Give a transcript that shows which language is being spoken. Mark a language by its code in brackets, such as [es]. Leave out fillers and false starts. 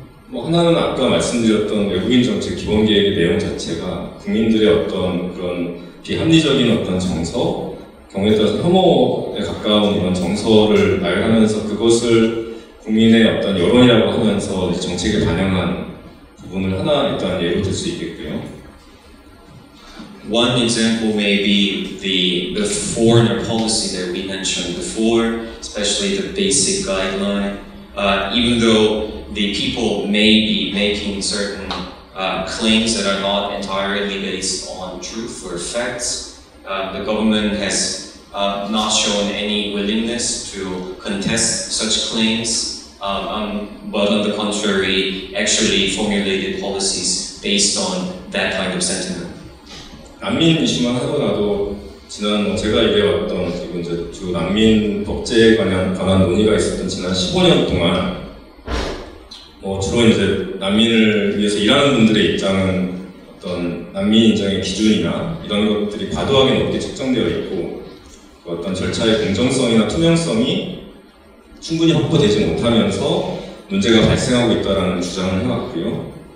[ko] 뭐 하나는 아까 말씀드렸던 외국인 정책 기본 계획의 내용 자체가 국민들의 어떤 그런 비합리적인 어떤 정서 경우에 따라서 혐오에 가까운 이런 정서를 나열하면서 그것을 국민의 어떤 여론이라고 하면서 정책에 반영한 부분을 하나 일단 예로 들 수 있겠고요. [en] One example may be the foreigner policy that we mentioned before, especially the basic guideline. Even though the people may be making certain claims that are not entirely based on truth or facts, the government has not shown any willingness to contest such claims, but on the contrary, actually formulated policies based on that kind of sentiment. [ko] 난민이시만 하더라도 지난 제가 얘기해왔던 이번 주 난민 법제에 관한 논의가 있었던 지난 15년 동안 뭐 주로 이제 난민을 위해서 일하는 분들의 입장은 어떤 난민 인정의 기준이나 이런 것들이 과도하게 높게 측정되어 있고 그 어떤 절차의 공정성이나 투명성이 충분히 확보되지 못하면서 문제가 발생하고 있다는 주장을 해왔고요.